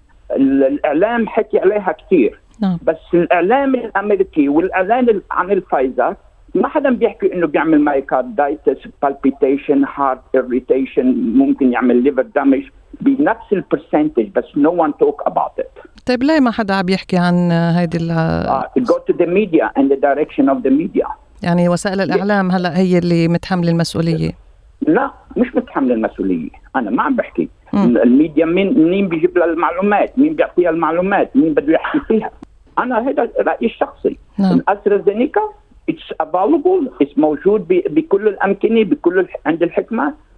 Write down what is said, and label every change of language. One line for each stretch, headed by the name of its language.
Arabic: الإعلام حكي عليها كثير، بس الإعلام الأمريكي والإعلام عن الفايزر ما حدا بيحكي إنه بيعمل مايكارديتس، بالبيتيشن، هارت إيريتيشن، ممكن يعمل ليفر دامج بنفس البرسنتج، بس
English: no one talk about it.
Arabic: طيب ليه ما حدا عم يحكي عن هيدي ال
English: go to the media and the direction of the media.
Arabic: يعني وسائل الإعلام هلأ هي اللي متحمل المسؤولية؟ لا، مش متحمل المسؤولية. أنا ما عم بحكي الميديا مين بيجيب لها المعلومات، مين بيعطيها المعلومات، مين بده يحكي فيها. أنا هذا رأيي الشخصي. أسترازينيكا
English: it's available،
Arabic: it's موجود بكل الأمكنة، بكل عند الحكمة.